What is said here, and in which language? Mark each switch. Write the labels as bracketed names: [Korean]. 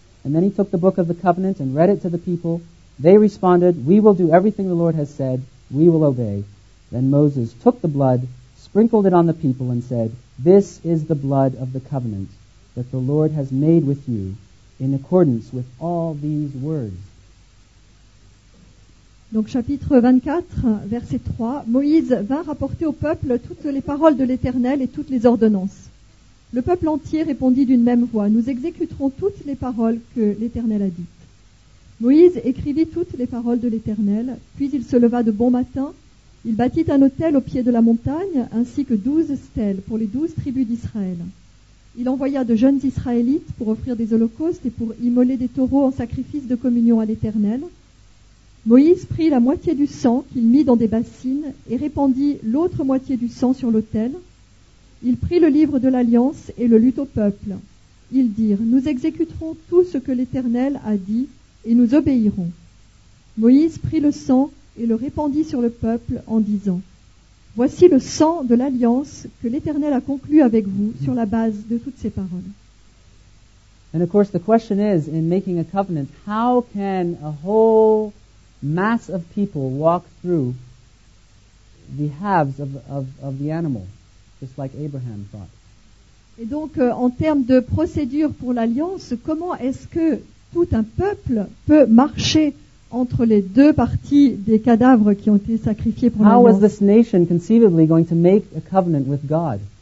[English] And then he took the book of the covenant and read it to the people. They responded, "We will do everything the Lord has said. We will obey." Then Moses took the blood, sprinkled it on the people, and said, "This is the blood of the covenant that the Lord has made with you in accordance with all these words." [French] Donc chapitre 24, verset 3, Moïse vint rapporter au peuple toutes les paroles de l'Éternel et toutes les ordonnances. Le peuple entier répondit d'une même voix, « Nous exécuterons toutes les paroles que l'Éternel a dites. » Moïse écrivit toutes les paroles de l'Éternel, puis il se leva de bon matin, il bâtit un autel au pied de la montagne, ainsi que 12 stèles pour les 12 tribus d'Israël. Il envoya de jeunes Israélites pour offrir des holocaustes et pour immoler des taureaux en sacrifice de communion à l'Éternel. Moïse prit la moitié du sang qu'il mit dans des bassines et répandit l'autre moitié du sang sur l'autel. Il prit le livre de l'Alliance et le lut au peuple. Ils dirent, « Nous exécuterons tout ce que l'Éternel a dit et nous obéirons. » Moïse prit le sang et le répandit sur le peuple en disant, « Voici le sang de l'Alliance que l'Éternel a conclu avec vous sur la base de toutes ces paroles. » [English] And of course the question is, in making a covenant, how can a whole mass of people walk through the halves of the animal, just like Abraham thought. [French] Et donc, en termes de procédure pour l'alliance, comment est-ce que tout un peuple peut marcher entre les deux parties des cadavres qui ont été sacrifiés pour l'alliance? [English] How was this nation conceivably going to make a covenant with God?